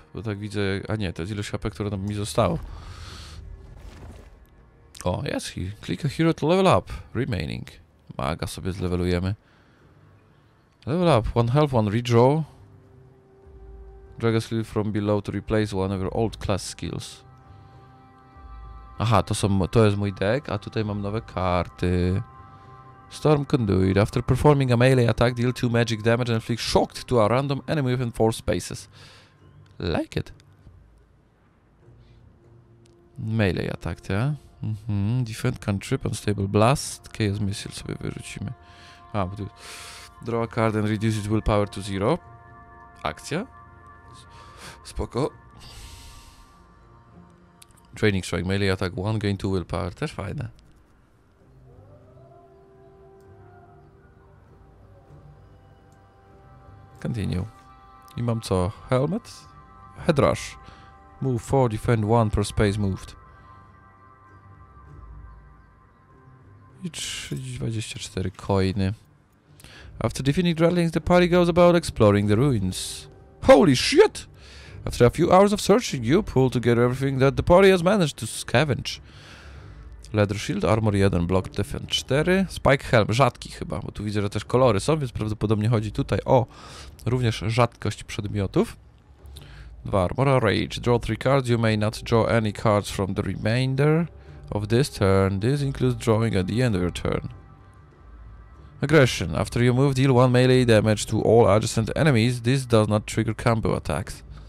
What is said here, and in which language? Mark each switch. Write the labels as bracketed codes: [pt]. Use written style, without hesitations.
[pl] Bo tak widzę, a nie, to jest ilość HP, które tam mi zostało. O, jest, [en] click a hero to level up. Remaining. [pl] Maga sobie zlevelujemy. [en] Level up, one health, one redraw. Drag a skill from below to replace one of your old class skills. [pl] Aha, to jest mój deck, a tutaj mam nowe karty. [en] Storm Conduit. After performing a melee attack, deal 2 magic damage and inflict shocked to a random enemy within 4 spaces. Like it. Melee attack, [pl] tak? [en] Mm-hmm. Defend Cantrip, Unstable Blast. [pl] Chaos Missile sobie wyrzucimy. [en] A, draw a card and reduce its willpower to 0. [pl] Akcja. Spoko. [en] Training Strike. Melee attack 1, gain 2 willpower. [pl] Też fajne. [en] Continue. [pl] I mam co? [en] Helmet? Head rush. Move 4, defend 1 per space moved. [pl] 24 coiny. [en] After defeating Dreadlings, the party goes about exploring the ruins. Holy shit! After a few hours of searching, you pull together everything that the party has managed to scavenge. Leather shield, armor 1, block defense 4. [pl] Spike helm, rzadki chyba, bo tu widzę, że też kolory są, więc prawdopodobnie chodzi tutaj o również rzadkość przedmiotów. 2 armora, rage. [en] Draw 3 cards, you may not draw any cards from the remainder of this turn. This includes drawing at the end of your turn. Aggression. After you move, deal 1 melee damage to all adjacent enemies. This does not trigger combo attacks.